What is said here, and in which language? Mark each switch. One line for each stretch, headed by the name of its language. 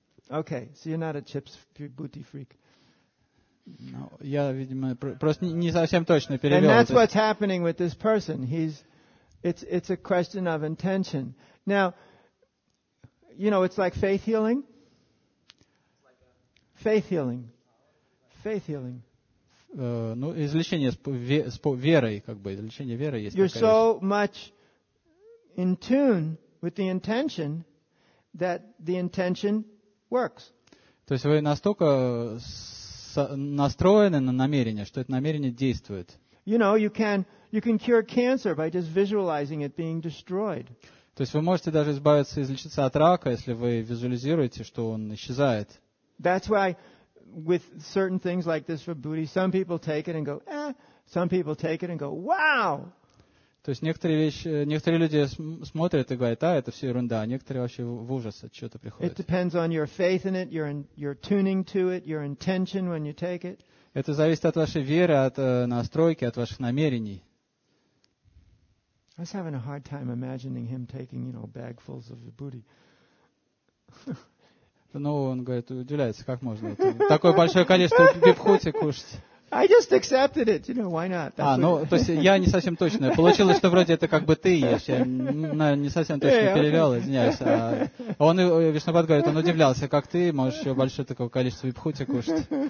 English: Okay, so you're not a chips booty freak.
Russian: No, я, видимо, просто не совсем точно перевел.
English: And that's what's happening with this person. It's a question of intention. Now, you know, it's like faith healing. Faith healing. Faith healing.
Russian: Ну, излечение с верой, как бы, излечение верой есть.
English: You're so much in tune with the intention that the intention works.
Russian: То есть вы настолько настроены на намерение, что это намерение действует.
English: You know, you can cure cancer by just visualizing it being destroyed.
Russian: То есть вы можете даже избавиться, излечиться от рака, если вы визуализируете, что он исчезает.
English: That's why with certain things like this for booty, some people take it and go, eh. Some people take it and go, wow.
Russian: То есть некоторые люди смотрят и говорят, а, это все ерунда. А некоторые вообще в ужас от чего-то приходят.
English: It depends on your faith in it, your tuning to it, your intention when you take it.
Russian: Это зависит от вашей веры, от настройки, от ваших намерений.
English: I was having a hard time imagining him taking, you know, bagfuls of vibhuti.
Russian: Ну, он говорит, удивляется, как можно такое большое количество вибхути кушать.
English: I just accepted it, you know, why not?
Russian: That's ну, то есть я не совсем точно. Получилось, что вроде это как бы ты ешь. Я, наверное, не совсем точно перевел, извиняюсь. А он, Вишнупад говорит, он удивлялся, как ты можешь еще большое такое количество вибхути кушать.